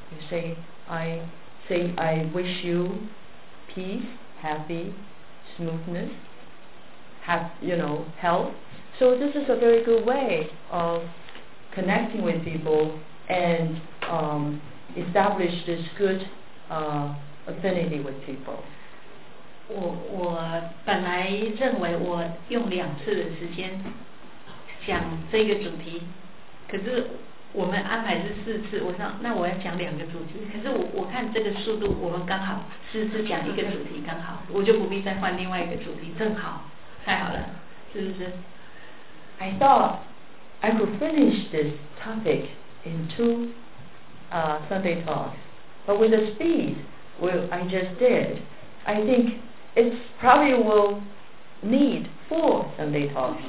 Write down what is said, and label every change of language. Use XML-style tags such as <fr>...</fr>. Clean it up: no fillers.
<en>You say, I wish you peace, happy, smoothness, health. So this is a very good way of connecting with people and establish this good affinity with people.</en> <zh>我本来认为我用两次的时间讲这个主题，可是我们安排是四次，我想那我要讲两个主题，可是我看这个速度，我们刚好四次讲一个主题刚好，我就不必再换另外一个主题，正好，太好了，是不是？</zh> <en>I thought I could finish this topic in two Sunday talks, but with the speed I just did, I think it probably will need four Sunday talks.</en>